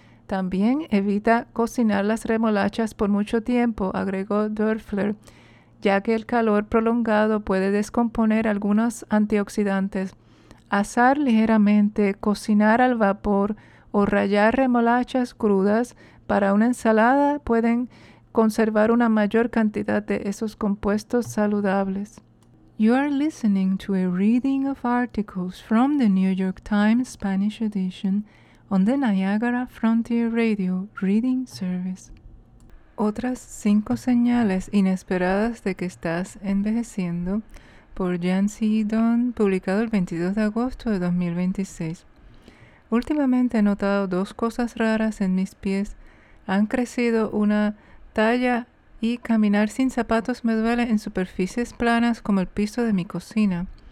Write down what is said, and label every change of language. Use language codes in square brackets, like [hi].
[es] También evita cocinar las remolachas por mucho tiempo, agregó Dörfler, ya que el calor prolongado puede descomponer algunos antioxidantes. Asar ligeramente, cocinar al vapor o rallar remolachas crudas para una ensalada pueden conservar una mayor cantidad de esos compuestos saludables. [en] You are listening to a reading of articles from the New York Times Spanish edition on the Niagara Frontier Radio Reading Service. [es] Otras cinco señales inesperadas de que estás envejeciendo, por Jan C. Don, publicado el 22 de agosto de 2026. Últimamente he notado dos cosas raras en mis pies. Han crecido una talla y caminar sin zapatos me duele en superficies planas como el piso de mi cocina.